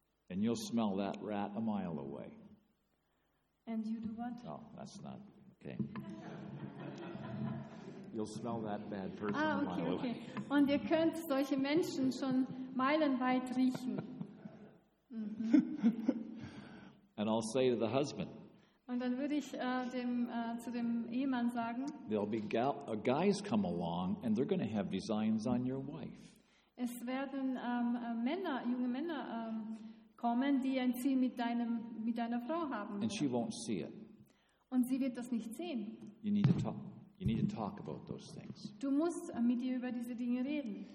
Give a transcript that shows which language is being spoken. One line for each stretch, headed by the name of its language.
English: And you'll smell that rat a mile away. And you do what? Oh, that's not okay. You'll smell that bad person a mile away. Okay.
German: Und ihr könnt solche Menschen schon meilenweit riechen.
English: Mm-hmm. And I'll say to the husband.
German: Und dann würde ich zu dem Ehemann sagen.
English: There'll be guys come along, and they're going to have designs on your wife.
German: Es werden junge Männer kommen, die ein Ziel mit deiner Frau haben.
English: And she won't see it.
German: Und sie wird das nicht sehen.
English: You need to talk about those things.
German: Du musst mit ihr über diese Dinge reden.